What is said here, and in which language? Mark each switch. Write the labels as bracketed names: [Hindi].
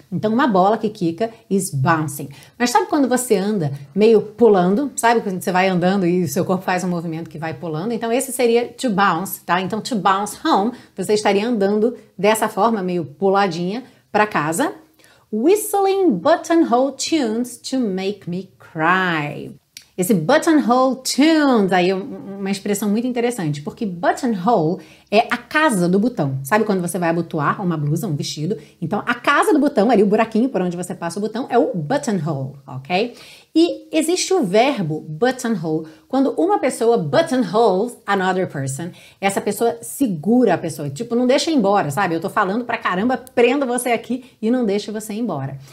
[Portuguese] Então, uma bola que quica [English] is bouncing. [Portuguese] Mas sabe quando você anda meio pulando? Sabe quando você vai andando e o seu corpo faz um movimento que vai pulando? Então, esse seria to bounce, tá? Então, to bounce home, você estaria andando dessa forma, meio puladinha, para casa. [English] Whistling buttonhole tunes to make me cry. [Portuguese] Esse buttonhole tunes aí é uma expressão muito interessante, porque buttonhole é a casa do botão. Sabe quando você vai abotoar uma blusa, um vestido? Então, a casa do botão, ali o buraquinho por onde você passa o botão, é o buttonhole, ok? E existe o verbo buttonhole, quando uma pessoa [English] buttonholes another person, [Portuguese] essa pessoa segura a pessoa, tipo, não deixa embora, sabe? Eu tô falando pra caramba, prendo você aqui e não deixo você embora.